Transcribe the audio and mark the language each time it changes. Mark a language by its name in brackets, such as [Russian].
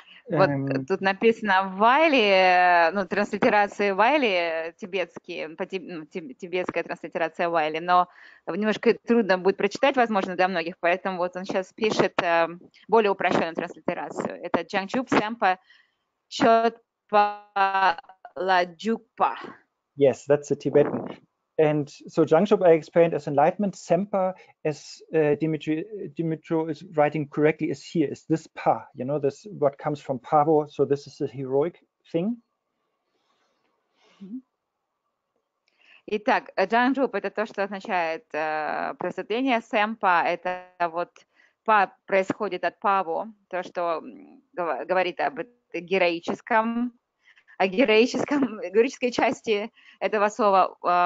[Russian] Вот тут написано Вайли, ну, транслитерация Вайли тибетский, тибетская транслитерация Вайли, но немножко трудно будет прочитать, возможно, для многих, поэтому вот он сейчас пишет более упрощенную транслитерацию. Это Джангчуб Сэмпа Чотпа Ладжупа. [English] Yes, that's the Tibetan. And so Jangshub I explained as enlightenment, Sempa, as Dimitro is writing correctly, is here, is this pa, you know, this what comes from pavo, so this is a heroic thing. [Russian] Итак, Jangshub – это то, что означает просветление, Sempa – это вот pa, происходит от pavo, то, что говорит об героическом, о героическом, героической части этого слова.